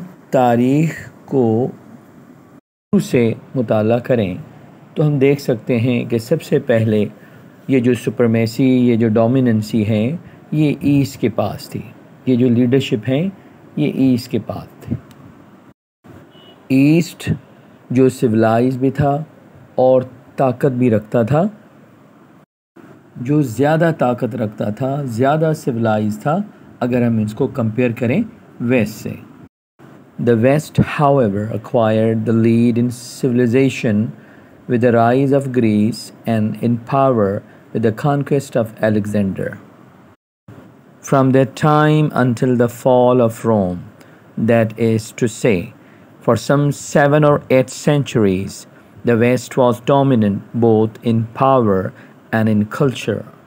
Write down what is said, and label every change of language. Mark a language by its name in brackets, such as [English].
[Urdu] تاریخ کو شروع سے مطالعہ کریں تو ہم دیکھ سکتے ہیں کہ سب سے پہلے یہ جو سپرمیسی, یہ جو ڈومیننسی ہے یہ ایسٹ کے پاس تھی, یہ جو لیڈرشپ ہیں یہ ایسٹ کے پاس تھے. ایسٹ جو سولائز بھی تھا اور طاقت بھی رکھتا تھا, جو زیادہ طاقت رکھتا تھا, زیادہ سولائز تھا اگر ہم اس کو کمپیئر کریں ویسٹ سے. [English] The West however acquired the lead in civilisation with the rise of Greece and in power with the conquest of Alexander. From that time until the fall of Rome, that is to say, for some 7 or 8 centuries, the West was dominant both in power and in culture.